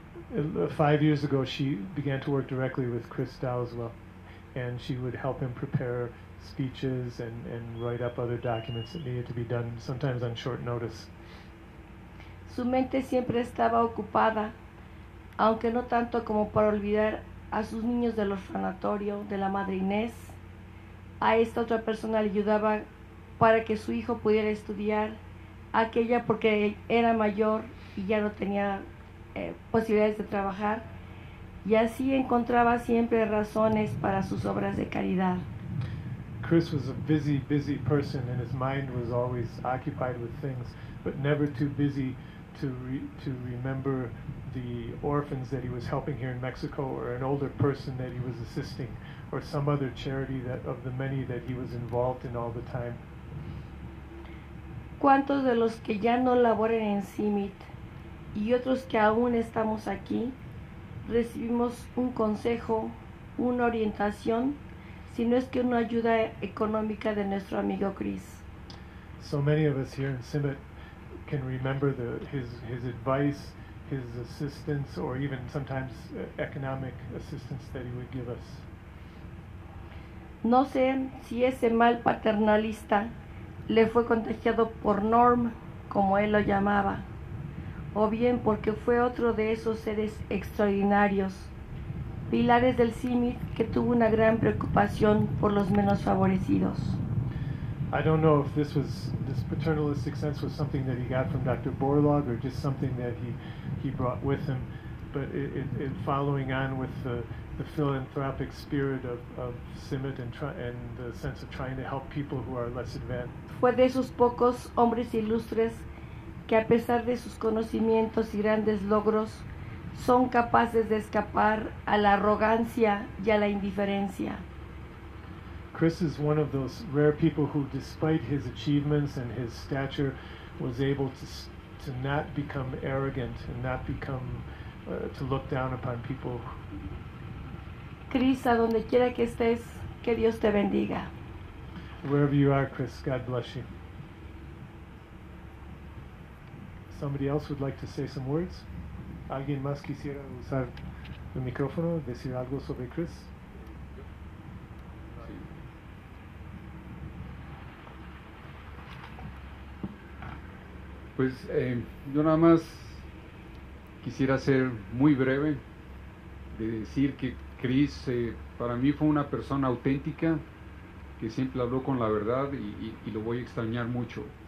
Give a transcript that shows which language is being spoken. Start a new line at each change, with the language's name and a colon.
English: 5 years ago, she began to work directly with Chris Dalzell, and she would help him prepare speeches and write up other documents that needed to be done, sometimes on short notice.
Spanish: Su mente siempre estaba ocupada, aunque no tanto como para olvidar a sus niños del orfanatorio, de la madre Inés. A esta otra persona le ayudaba para que su hijo pudiera estudiar, aquella porque era mayor y ya no tenía posibilidades de trabajar, y así encontraba siempre razones para sus obras de caridad.
English: Chris was a busy person, and his mind was always occupied with things, but never too busy to remember the orphans that he was helping here in Mexico, or an older person that he was assisting, or some other charity that of the many that he was involved in all the time.
Spanish: ¿Cuántos de los que ya no laboran en CIMIT y otros que aún estamos aquí recibimos un consejo, una orientación, si no es que una ayuda económica de nuestro amigo Chris?
English: So many of us here in CIMIT can remember his advice, his assistance, or even sometimes economic assistance that he would give us.
Spanish: No sé si ese mal paternalista le fue contagiado por Norm, como él lo llamaba, o bien porque fue otro de esos seres extraordinarios, pilares del CIMIT, que tuvo una gran preocupación por los menos favorecidos.
English: I don't know if this paternalistic sense was something that he got from Dr. Borloff or just something that he brought with him, but it following on with the philanthropic spirit of CIMIT and the sense of trying to help people who are less advanced.
Spanish: Fue de esos pocos hombres ilustres que a pesar de sus conocimientos y grandes logros son capaces de escapar a la arrogancia y a la indiferencia.
English: Chris is one of those rare people who, despite his achievements and his stature, was able to not become arrogant and not become to look down upon people.
Spanish: Chris, a donde quiera que estés, que Dios te bendiga.
English: Wherever you are, Chris, God bless you. Somebody else would like to say some words?
Spanish: Alguien más quisiera usar el micrófono, decir algo sobre Chris? Pues yo nada más quisiera ser muy breve de decir que Chris para mí fue una persona auténtica que siempre habló con la verdad y lo voy a extrañar mucho.